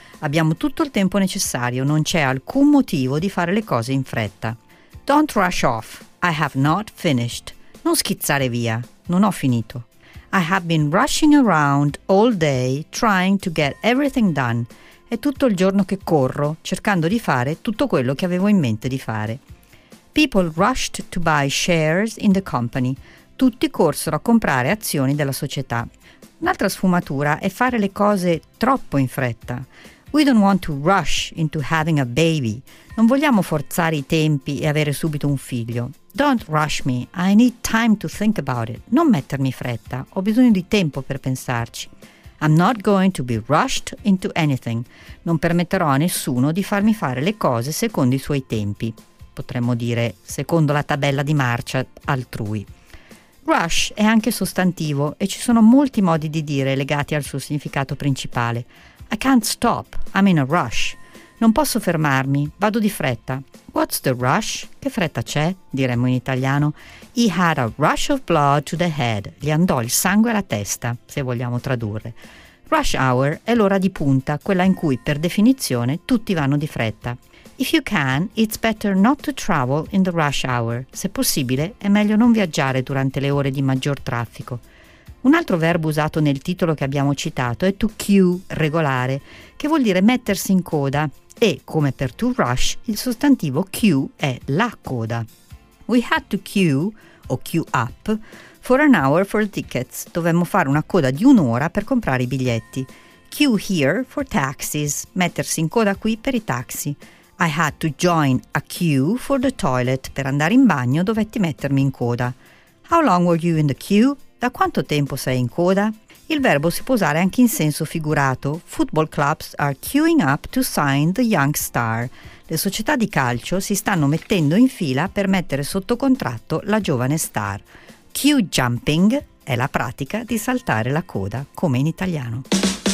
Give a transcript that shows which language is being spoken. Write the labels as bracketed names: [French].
[Italian] Abbiamo tutto il tempo necessario, non c'è alcun motivo di fare le cose in fretta. [English] Don't rush off, I have not finished. [Italian] Non schizzare via, non ho finito. [English] I have been rushing around all day trying to get everything done. [Italian] È tutto il giorno che corro, cercando di fare tutto quello che avevo in mente di fare. [English] People rushed to buy shares in the company. [Italian] Tutti corsero a comprare azioni della società. Un'altra sfumatura è fare le cose troppo in fretta. [English] We don't want to rush into having a baby. [Italian] Non vogliamo forzare i tempi e avere subito un figlio. [English] Don't rush me. I need time to think about it. [Italian] Non mettermi fretta. Ho bisogno di tempo per pensarci. [English] I'm not going to be rushed into anything. [Italian] Non permetterò a nessuno di farmi fare le cose secondo i suoi tempi. Potremmo dire secondo la tabella di marcia altrui. Rush è anche sostantivo e ci sono molti modi di dire legati al suo significato principale. [English] I can't stop, I'm in a rush. [Italian] Non posso fermarmi, vado di fretta. [English] What's the rush? [Italian] Che fretta c'è? Diremmo in italiano. [English] He had a rush of blood to the head. [Italian] Gli andò il sangue alla testa, se vogliamo tradurre. Rush hour è l'ora di punta, quella in cui, per definizione, tutti vanno di fretta. [English] If you can, it's better not to travel in the rush hour. [Italian] Se possibile, è meglio non viaggiare durante le ore di maggior traffico. Un altro verbo usato nel titolo che abbiamo citato è to queue, regolare, che vuol dire mettersi in coda. E, come per to rush, il sostantivo queue è la coda. [English] We had to queue, o queue up, for an hour for tickets. [Italian] Dovemmo fare una coda di un'ora per comprare i biglietti. [English] Queue here for taxis, [Italian] mettersi in coda qui per i taxi. [English] I had to join a queue for the toilet. [Italian] Per andare in bagno dovetti mettermi in coda. [English] How long were you in the queue? [Italian] Da quanto tempo sei in coda? Il verbo si può usare anche in senso figurato. [English] Football clubs are queuing up to sign the young star. [Italian] Le società di calcio si stanno mettendo in fila per mettere sotto contratto la giovane star. Queue jumping è la pratica di saltare la coda, come in italiano.